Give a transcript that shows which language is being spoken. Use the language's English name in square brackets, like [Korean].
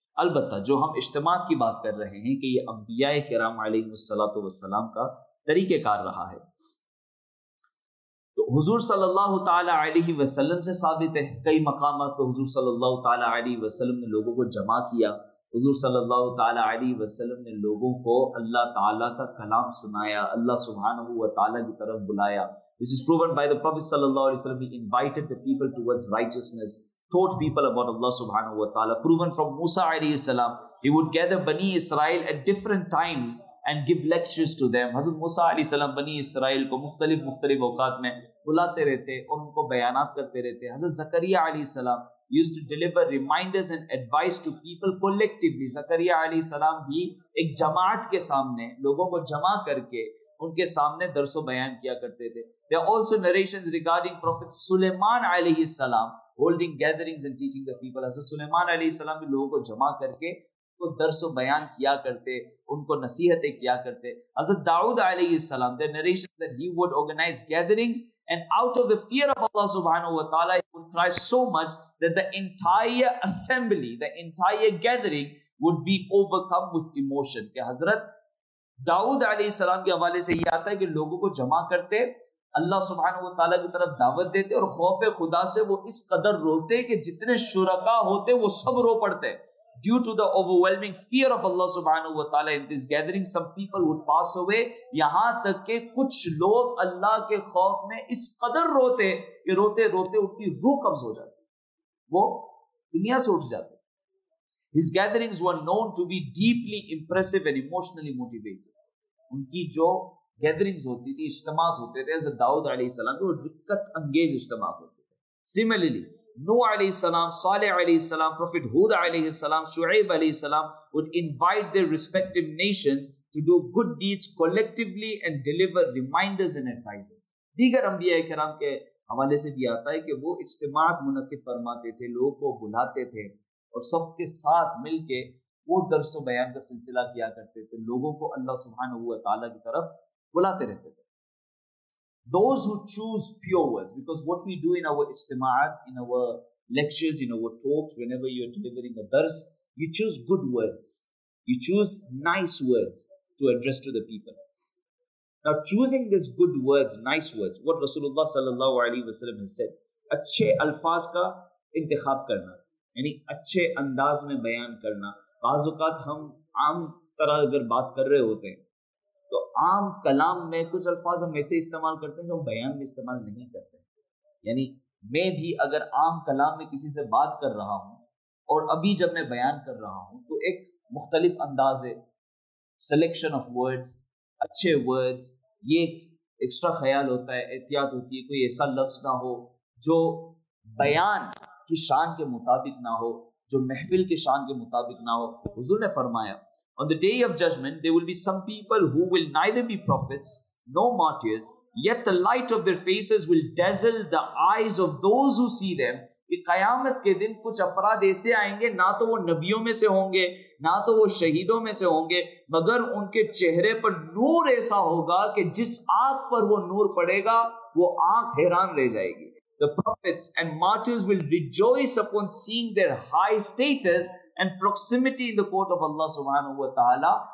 [Urdu] البتہ جو ہم اجتماع کی بات کر رہے ہیں کہ یہ انبیاء کرام علیہ الصلاۃ والسلام کا طریقہ کار رہا ہے, تو حضور صلی اللہ تعالیٰ علیہ وسلم سے ثابت ہے. کئی مقامات پہ حضور صلی اللہ تعالیٰ علیہ وسلم نے لوگوں کو جمع کیا, حضور صلی اللہ تعالیٰ علیہ وسلم نے لوگوں کو اللہ تعالیٰ کا کلام سنایا, اللہ سبحانہ و تعالیٰ کی طرف بلایا. [English] This is proven by the Prophet صلی اللہ علیہ وسلم, he invited the people towards righteousness, taught people about Allah subhanahu wa ta'ala. Proven from Musa alayhi salam, he would gather Bani Israel at different times and give lectures to them. [Urdu] حضرت موسیٰ علیہ السلام بنی اسرائیل کو مختلف اوقات میں بلاتے رہتے اور ان کو بیانات کرتے رہتے. [English] حضرت زکریہ علیہ السلام used to deliver reminders and advice to people collectively. [Urdu] زکریہ علیہ السلام بھی ایک جماعت کے سامنے لوگوں کو جمع کر کے ان کے سامنے درس و بیان کیا کرتے تھے. [English] There are also narrations regarding Prophet سلیمان علیہ السلام holding gatherings and teaching the people. [Urdu] حضرت سلیمان علیہ السلام بھی لوگوں کو جمع کر کے کو درس و بیان کیا کرتے, ان کو نصیحتیں کیا کرتے. [English] حضرت داؤد علیہ السلام, their narration that he would organize gatherings and out of the fear of Allah subhanahu wa ta'ala he would cry so much that the entire assembly, the entire gathering would be overcome with emotion. [Urdu] کہ حضرت داؤد علیہ السلام کے حوالے سے یہ آتا ہے کہ لوگوں کو جمع کرتے, اللہ سبحانہ و تعالیٰ کی طرف دعوت دیتے, اور خوف خدا سے وہ اس قدر روتے کہ جتنے شرکا ہوتے وہ سب رو پڑتے. [English] Due to the overwhelming fear of Allah subhanahu wa ta'ala in this gathering, some people would pass away. [Urdu] یہاں تک کہ کچھ لوگ اللہ کے خوف میں اس قدر روتے کہ روتے روتے ان کی روح قبض ہو جاتی, وہ دنیا سے اٹھ جاتے. [English] His gatherings were known to be deeply impressive and emotionally motivated. [Urdu] ان کی جو gatherings ہوتی تھی, اجتماعات ہوتے تھے حضرت داؤد علیہ السلام کے, وہ رکت انگیز اجتماعات ہوتے تھے. [English] Similarly, Nuh علیہ السلام, صالح علیہ السلام, Prophet Hud علیہ السلام, Shu'ayb علیہ السلام would invite their respective nations to do good deeds collectively and deliver reminders and advices. [Urdu] دیگر انبیاء کرام کے حوالے سے بھی آتا ہے کہ وہ اجتماعات منعقد فرماتے تھے, لوگوں کو بلاتے تھے اور سب کے ساتھ مل کے وہ درس و بیان کا سلسلہ کیا کرتے تھے, لوگوں کو اللہ سبحانہ و تعالیٰ کی طرف بلاتے رہتے تھے. [English] Those who choose pure words, because what we do in our istima'at, in our lectures, in our talks, whenever you are delivering a dars, you choose good words. You choose nice words to address to the people. Now choosing these good words, nice words, what Rasulullah sallallahu alayhi wa sallam has said, [Urdu] achhe alfaz ka intikhab karna, yani achhe andaz mein bayan karna. Baz ukat hum aam tarah agar baat kar rahe hote hain, تو عام کلام میں کچھ الفاظ ہم ایسے استعمال کرتے ہیں جو ہم بیان میں استعمال نہیں کرتے. یعنی میں بھی اگر عام کلام میں کسی سے بات کر رہا ہوں اور ابھی جب میں بیان کر رہا ہوں تو ایک مختلف انداز ہے, [English] selection of words, [Urdu] اچھے ورڈز, یہ ایکسٹرا خیال ہوتا ہے, احتیاط ہوتی ہے کوئی ایسا لفظ نہ ہو جو بیان کی شان کے مطابق نہ ہو, جو محفل کے شان کے مطابق نہ ہو. حضور نے فرمایا, [English] On the day of judgment, there will be some people who will neither be prophets nor martyrs, yet the light of their faces will dazzle the eyes of those who see them. [Urdu] کہ قیامت کے دن کچھ افراد ایسے آئیں گے, نہ تو وہ نبیوں میں سے ہوں گے نہ تو وہ شہیدوں میں سے ہوں گے, مگر ان کے چہرے پر نور ایسا ہوگا کہ جس آنکھ پر وہ نور پڑے گا وہ آنکھ حیران رہ جائے گی. [English] The prophets and martyrs will rejoice upon seeing their high status and proximity in the court of Allah subhanahu wa ta'ala.